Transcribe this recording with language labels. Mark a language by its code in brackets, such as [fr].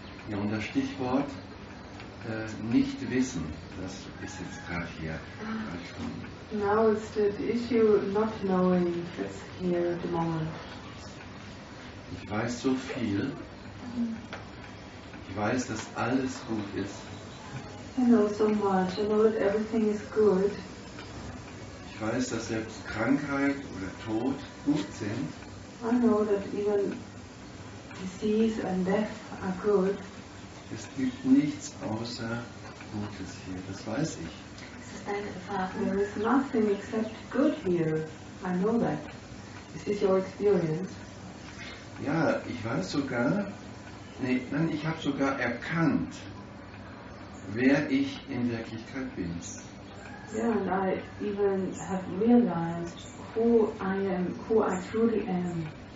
[de] Ja, und das Stichwort nicht wissen, das ist jetzt gerade hier. [en] Now it's the issue not knowing that's here at the moment. [de] Ich weiß so viel. Ich weiß, dass alles gut ist. [en] I know so much. I know that everything is good. [de] Ich weiß, dass selbst Krankheit oder Tod gut sind. [en] I know that even disease and death are good. [de] Es gibt nichts außer Gutes hier, das weiß ich. Es ist deine Erfahrung. [en] There is nothing except good here. I know that. Is this your experience? [de] Ja, ich weiß sogar, ich habe sogar erkannt, wer ich in Wirklichkeit bin. [en] Yeah, and I even have realized who I am, who I truly am.